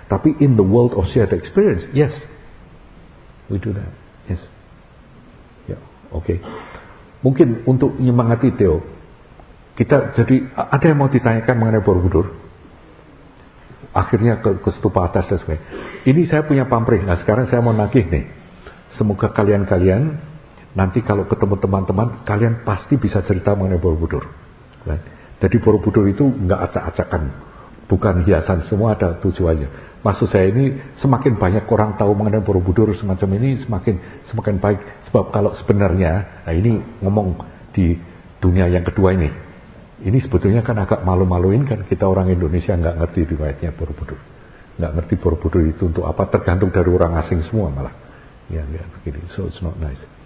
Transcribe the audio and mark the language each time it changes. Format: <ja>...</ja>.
<id>Tapi</id> <en>in the world of shared experience, yes, we do that. Yes. Yeah. Okay.</en> <id>Mungkin untuk menyemangati Theo. Kita jadi, ada yang mau ditanyakan mengenai Borobudur? Akhirnya ke stupa atas dan sebagainya. Ini saya punya pamrih. Nah sekarang saya mau nagih nih. Semoga kalian-kalian, nanti kalau ketemu teman-teman, kalian pasti bisa cerita mengenai Borobudur. Right? Jadi Borobudur itu enggak acak-acakan. Bukan hiasan, semua ada tujuannya. Maksud saya ini, semakin banyak orang tahu mengenai Borobudur semacam ini, semakin baik. Sebab kalau sebenarnya, nah ini ngomong di dunia yang kedua ini. Ini sebetulnya kan agak malu-maluin kan, kita orang Indonesia gak ngerti riwayatnya Borobudur. Gak ngerti Borobudur itu untuk apa, tergantung dari orang asing semua malah. Ya, ya begini,</id> <en>so it's not nice.</en>